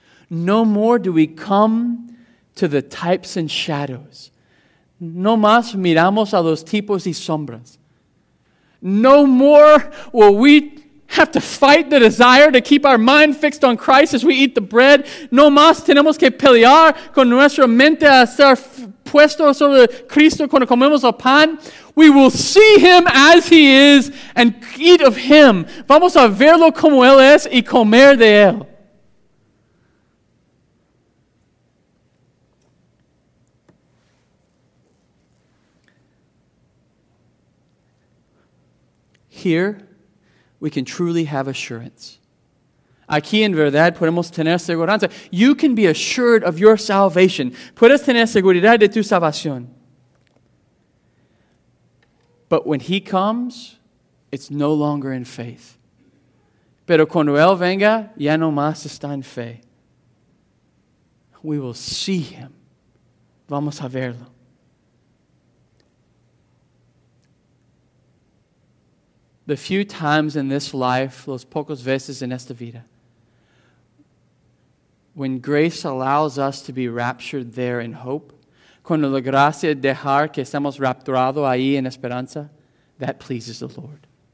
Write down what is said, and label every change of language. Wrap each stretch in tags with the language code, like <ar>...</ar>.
<en>No more do we come to the types and shadows.</en> <es>No más miramos a los tipos y sombras.</es> <en>No more will we have to fight the desire to keep our mind fixed on Christ as we eat the bread.</en> <es>No más tenemos que pelear con nuestra mente a ser puesto sobre Cristo cuando comemos el pan.</es> <en>We will see Him as He is and eat of Him.</en> <es>Vamos a verlo como Él es y comer de Él.</es> <en>Here, we can truly have assurance.</en> <es>Aquí en verdad podemos tener seguridad.</es> <en>You can be assured of your salvation.</en> <es>Puedes tener seguridad de tu salvación.</es> <en>But when He comes, it's no longer in faith.</en> <es>Pero cuando Él venga, ya no más está en fe.</es> <en>We will see Him.</en> <es>Vamos a verlo.</es> <en>The few times in this life,</en> <es>los pocos veces en esta vida,</es> <en>when grace allows us to be raptured there in hope,</en> <es>cuando la gracia dejar que estamos rapturados ahí en esperanza,</es> <en>that pleases the Lord.</en>